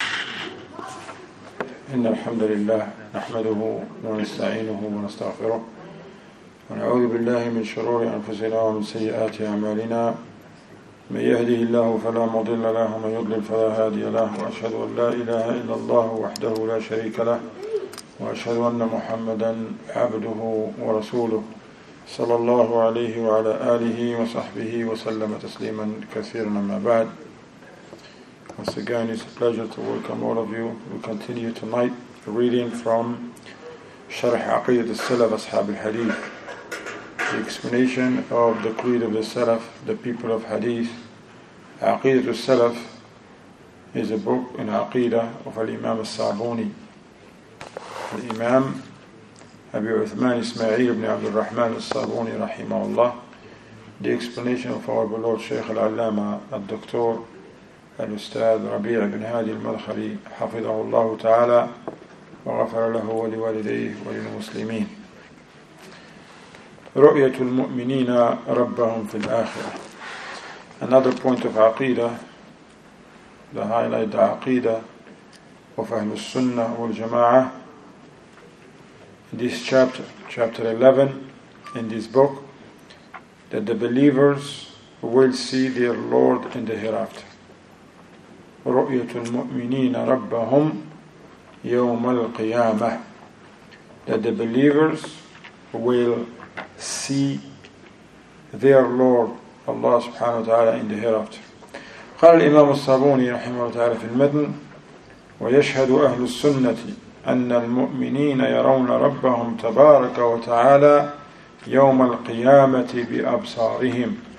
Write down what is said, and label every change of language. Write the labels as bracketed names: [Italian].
[Arabic] إن الحمد لله نحمده ونستعينه ونستغفره ونعوذ بالله من شرور أنفسنا ومن سيئات أعمالنا من يهده الله فلا مضل له ومن يضلل فلا هادي له وأشهد أن لا إله إلا الله وحده لا شريك له وأشهد أن محمدا عبده ورسوله صلى الله عليه وعلى آله وصحبه وسلم تسليما كثيرا ما بعد. [English] Once again, it's a pleasure to welcome all of you. We continue tonight reading from Sharh Aqidat al-Salaf Ashab al-Hadith, the explanation of the creed of the Salaf, the people of Hadith. Aqidat al-Salaf is a book in Aqidah of al-Imam al-Saaboonee. Imam Abu Uthmaan Ismaa’eel ibn Abdir-Rahmaan al-Saaboonee rahimahullaah. The explanation of our beloved sheikh al-Allaamah, al-Doctor, [Arabic] الأستاذ ربيع بن هادي المدخلي حفظه الله تعالى وغفر له ولوالديه وللمسلمين. رؤية المؤمنين ربهم في الآخرة. [English] Another point of عقيدة, the highlight of عقيدة of أهل السنة والجماعة. This chapter, chapter 11 in this book, that the believers will see their Lord in the hereafter. [Arabic] رؤية المؤمنين ربهم يوم القيامة. [English] That the believers will see their Lord Allah سبحانه وتعالى in the hereafter. [Arabic] قال الإمام الصابوني رحمه الله تعالى في المتن ويشهد أهل السنة أن المؤمنين يرون ربهم تبارك وتعالى يوم القيامة بأبصارهم